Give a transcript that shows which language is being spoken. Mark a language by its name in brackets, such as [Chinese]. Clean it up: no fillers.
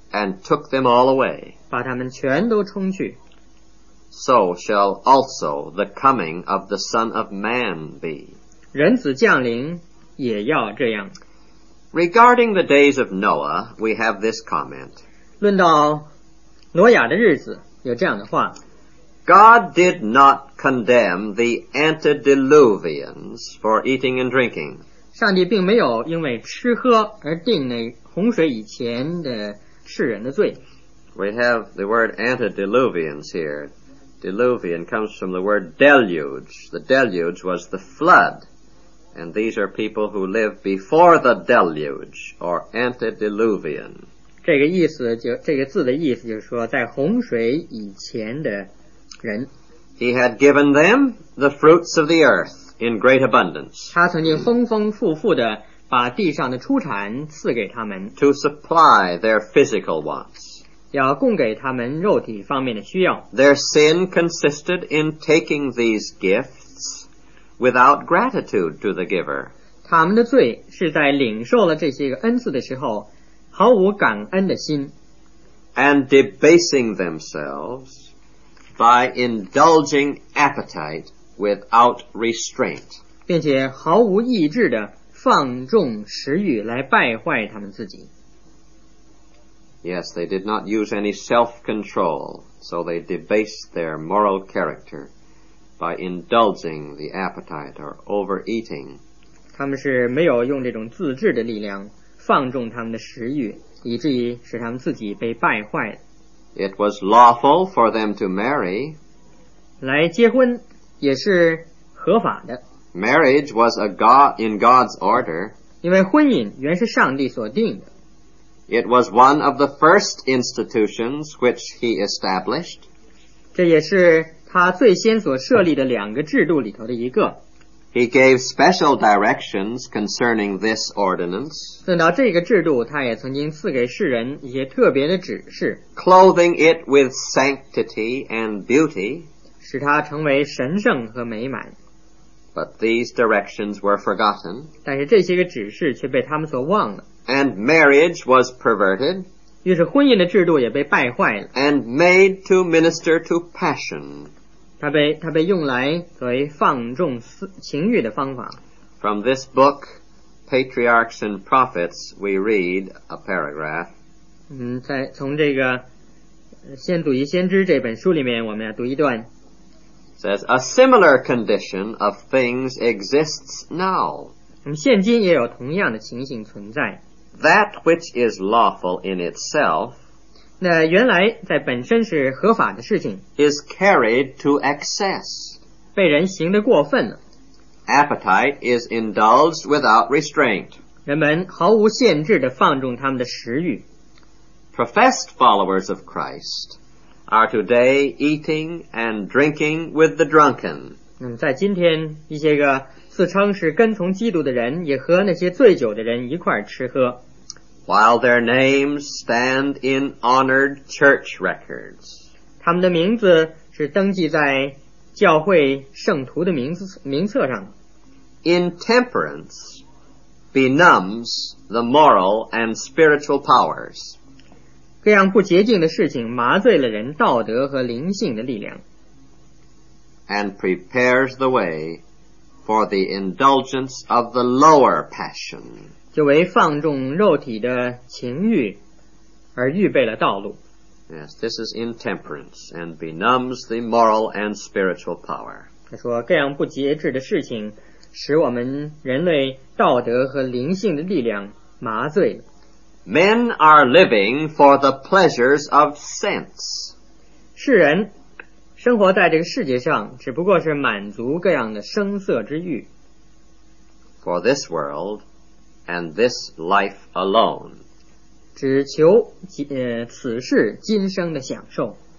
[English] and took them all away, [Chinese] 把他们全都冲去。 [English] So shall also the coming of the Son of Man be. [Chinese] 人子降临也要这样。 [English] Regarding the days of Noah, we have this comment. [Chinese] 论到挪亚的日子有这样的话。 [English] God did not condemn the antediluvians for eating and drinking. [Chinese] 上帝并没有因为吃喝而定那洪水以前的世人的罪。 [English] We have the word antediluvians here. Diluvian comes from the word deluge. The deluge was the flood. And these are people who live before the deluge or antediluvian. [Chinese] 这个意思就这个字的意思就是说在洪水以前的人。 [English] He had given them the fruits of the earth in great abundance. [Chinese] 他曾经丰丰富富地把地上的出产赐给他们。 [English] To supply their physical wants. [Chinese] 要供给他们肉体方面的需要。 [English] Their sin consisted in taking these gifts without gratitude to the giver. [Chinese] 他们的罪是在领受了这些个恩赐的时候毫无感恩的心。 [English] And debasing themselves by indulging appetite without restraint. [Chinese] 并且毫无抑制地放纵食欲来败坏他们自己。 [English] Yes, they did not use any self-control, so they debased their moral character by indulging the appetite or overeating. [Chinese] 他们是没有用这种自制的力量放纵他们的食欲，以至于使他们自己被败坏。 [English] It was lawful for them to marry. [Chinese] 来结婚也是合法的。 [English] Marriage was a God, in God's order. [Chinese] 因为婚姻原是上帝所定的。 [English] It was one of the first institutions which he established. [Chinese] 这也是他最先所设立的两个制度里头的一个。 [English] He gave special directions concerning this ordinance. [Chinese] 等到这个制度他也曾经赐给世人一些特别的指示。 [English] Clothing it with sanctity and beauty. [Chinese] 使它成为神圣和美满。 [English] But these directions were forgotten. [Chinese] 但是这些个指示却被他们所忘了。 [English] And marriage was perverted. [Chinese] 于是婚姻的制度也被败坏了。 [English] And made to minister to passion. [Chinese] 他被用来作为放纵情欲的方法。 [English] From this book, Patriarchs and Prophets, we read a paragraph. [Chinese] 从这个先祖与先知这本书里面我们要读一段。 [English] Says, a similar condition of things exists now. [Chinese] 现今也有同样的情形存在。 [English] That which is lawful in itself, [Chinese] 那原来在本身是合法的事情 [English] is carried to excess [Chinese] 被人行得过分了。 [English] Appetite is indulged without restraint [Chinese] 人们毫无限制地放纵他们的食欲。 [English] Professed followers of Christ are today eating and drinking with the drunken. [Chinese] 在今天，一些个自称是跟从基督的人，也和那些醉酒的人一块吃喝。 [English] While their names stand in honored church records. [Chinese] 他们的名字是登记在教会圣徒的名册上。 [English] Intemperance benumbs the moral and spiritual powers. [Chinese] 各样不洁净的事情麻醉了人道德和灵性的力量。 [English] And prepares the way for the indulgence of the lower passion. [Chinese] 就为放纵肉体的情欲而预备了道路。 [English] Yes, this is intemperance and benumbs the moral and spiritual power. [Chinese] 他说各样不节制的事情使我们人类道德和灵性的力量麻醉了。 [English] Men are living for the pleasures of sense. [Chinese] 世人生活在这个世界上只不过是满足各样的声色之欲。 [English] For this world and this life alone. [Chinese] 只求此事今生的享受。